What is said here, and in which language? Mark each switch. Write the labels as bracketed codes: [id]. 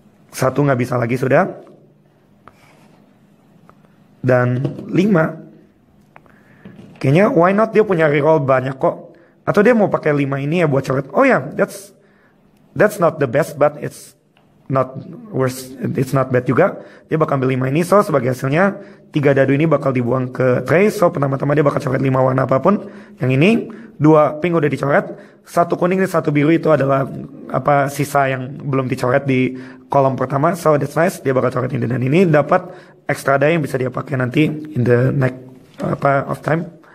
[id] Satu gak bisa lagi sudah. Dan 5. Kayaknya [en] why not, [id] dia punya reroll banyak kok. Atau dia mau pakai 5 ini ya buat coret. [en] Oh ya, yeah, that's not the best, but it's not worse, it's not bad juga. [id] Dia bakal ambil 5 ini, so sebagai hasilnya 3 dadu ini bakal dibuang ke tray. So pertama-tama dia bakal coret 5 warna apapun. Yang ini 2 pink udah dicoret, 1 kuning dan 1 biru itu adalah apa sisa yang belum dicoret di kolom pertama. [en] So that's nice, [id] dia bakal coret ini dan ini dapat extra die yang bisa dia pakai nanti [en] in the next [id] apa of time.